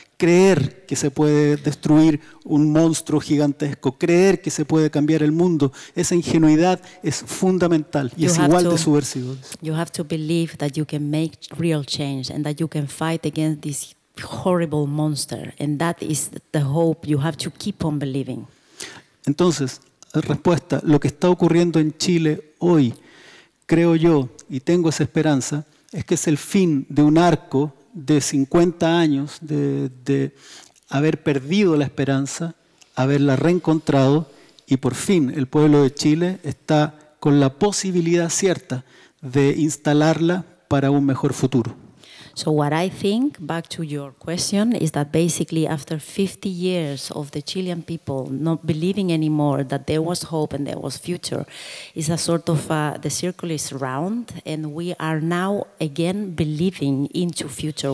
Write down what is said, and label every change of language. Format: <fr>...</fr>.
<es>Creer que se puede destruir un monstruo gigantesco, creer que se puede cambiar el mundo, esa ingenuidad es fundamental y es igual de subversivo.</es> <en>You have to believe that you can make real change and that you can fight against this horrible monster, and that is the hope you have to keep on believing.</en> <es>Entonces, respuesta, lo que está ocurriendo en Chile hoy, creo yo, y tengo esa esperanza, es que es el fin de un arco de 50 años de haber perdido la esperanza, haberla reencontrado, y por fin el pueblo de Chile está con la posibilidad cierta de instalarla para un mejor futuro.</es> <en>So what I think, back to your question, is that basically after 50 years of the Chilean people not believing anymore that there was hope and there was future, is a sort of the circle is round, and we are now again believing into future.</en>